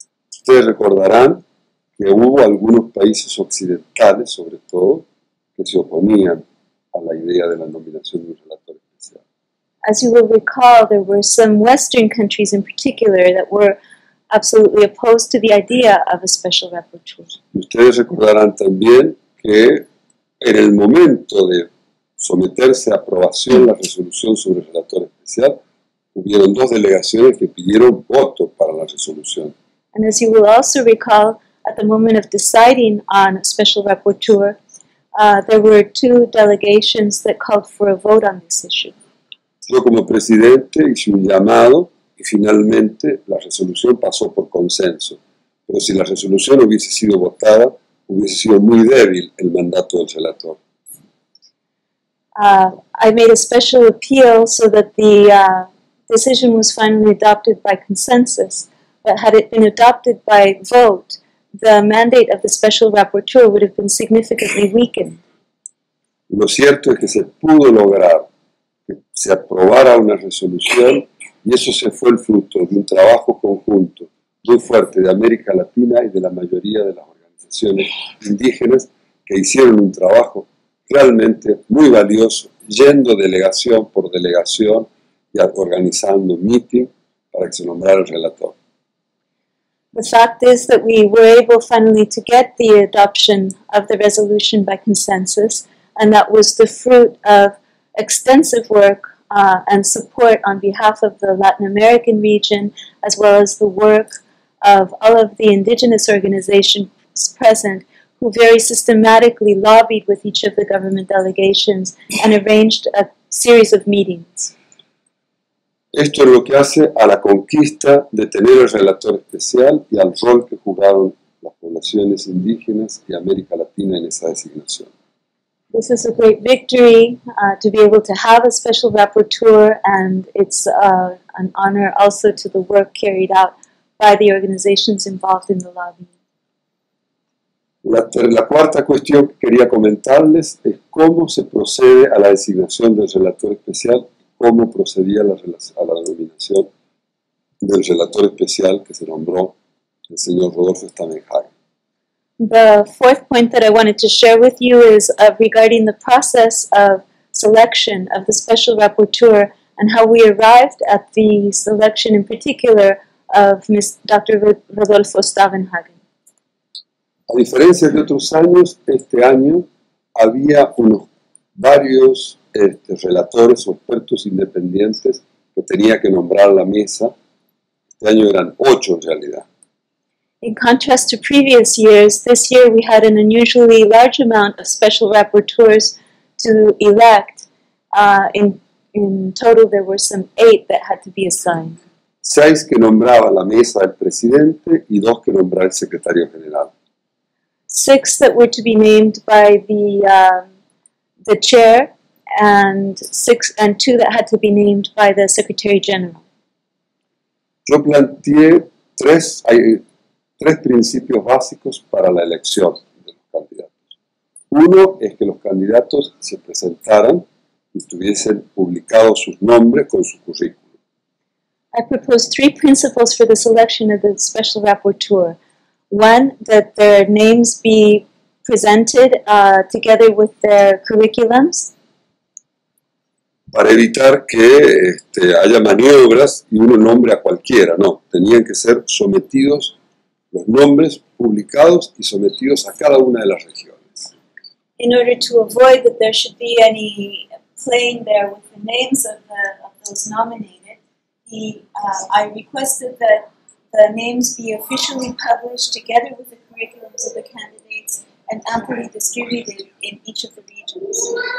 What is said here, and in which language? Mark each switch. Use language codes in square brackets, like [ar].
[es] Ustedes recordarán que hubo algunos países occidentales, sobre todo, que se oponían a la idea de la nominación de un relator especial. [en] As you will recall, there were some Western countries in particular that were absolutely opposed to the idea of a special rapporteur. [es] Ustedes recordarán también que en el momento de someterse a aprobación la resolución sobre el relator especial, hubieron dos delegaciones que pidieron voto para la resolución. [en] And as you will also recall, at the moment of deciding on a special rapporteur, there were two delegations that called for a vote on this issue. [es] Yo como presidente hice un llamado y finalmente la resolución pasó por consenso. Pero si la resolución hubiese sido votada, hubiese sido muy débil el mandato del relator. [en] I made a special appeal so that the decision was finally adopted by consensus, but had it been adopted by vote, the mandate of the special rapporteur would have been significantly weakened. [es] Lo cierto es que se pudo lograr que se aprobara una resolución, y eso se fue el fruto de un trabajo conjunto muy fuerte de América Latina y de la mayoría de las organizaciones indígenas que hicieron un trabajo realmente muy valioso, yendo delegación por delegación y organizando meeting para que se nombrara el relator. [en] The fact is that we were able finally to get the adoption of the resolution by consensus, and that was the fruit of extensive work and support on behalf of the Latin American region, as well as the work of all of the indigenous organizations present, who very systematically lobbied with each of the government delegations and arranged a series of meetings. [es] Esto es lo que hace a la conquista de tener el relator especial y al rol que jugaron las poblaciones indígenas y América Latina en esa designación. [en] This is a great victory to be able to have a special rapporteur, and it's an honor also to the work carried out by the organizations involved in the lobby. [es] La cuarta cuestión que quería comentarles es cómo se procede a la designación del relator especial, cómo procedía a la nominación del relator especial que se nombró el señor Rodolfo Stamenhagen. [en] The fourth point that I wanted to share with you is regarding the process of selection of the special rapporteur and how we arrived at the selection in particular of Dr. Rodolfo Stavenhagen. [es] A diferencia de otros años, este año había unos varios relatores o expertos independientes que tenía que nombrar la mesa. Este año eran 8 en realidad. [en] In contrast to previous years, this year we had an unusually large amount of special rapporteurs to elect. In total, there were some 8 that had to be assigned. [es] 6 que nombraba la mesa del presidente y 2 que nombraba el secretario general. [en] 6 that were to be named by the chair, and 2 that had to be named by the secretary general. [es] Yo planteé 3 principios básicos para la elección de los candidatos. 1 es que los candidatos se presentaran y tuviesen publicados sus nombres con su currículum. [en] I proposed 3 principles for the selection of the special rapporteur. 1, that their names be presented together with their curriculums. [es] Para evitar que haya maniobras y uno nombre a cualquiera, no. Tenían que ser sometidos los nombres publicados y sometidos a cada una de las regiones. [en] In order to avoid that there should be any playing there with the names of those nominated, I requested that the names be officially published together with the curriculums of the candidates and amply distributed in each of the regions.